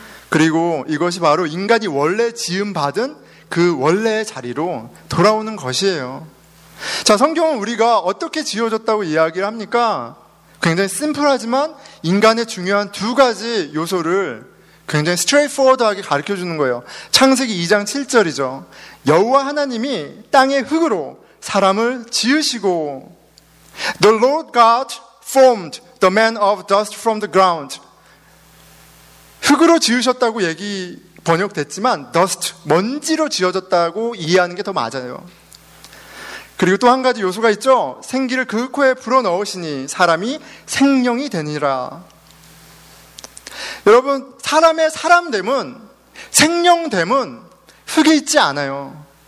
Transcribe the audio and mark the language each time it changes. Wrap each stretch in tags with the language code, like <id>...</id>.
<ko>그리고 이것이 바로 인간이 원래 지음받은 그 원래의 자리로 돌아오는 것이에요. 자, 성경은 우리가 어떻게 지어졌다고 이야기를 합니까? 굉장히 심플하지만 인간의 중요한 두 가지 요소를 굉장히 스트레이트포워드하게 가르쳐주는 거예요. 창세기 2장 7절이죠. 여호와 하나님이 땅의 흙으로 사람을 지으시고</ko> <en>The Lord God formed the man of dust from the ground.</en> <ko>흙으로 지으셨다고 얘기 번역됐지만 dust, 먼지로 지어졌다고 이해하는 게 더 맞아요. 그리고 또 한 가지 요소가 있죠. 생기를 그 코에 불어넣으시니 사람이 생명이 되니라. 여러분, 사람의 사람됨은, 생명됨은 흙에 있지 않아요.</ko>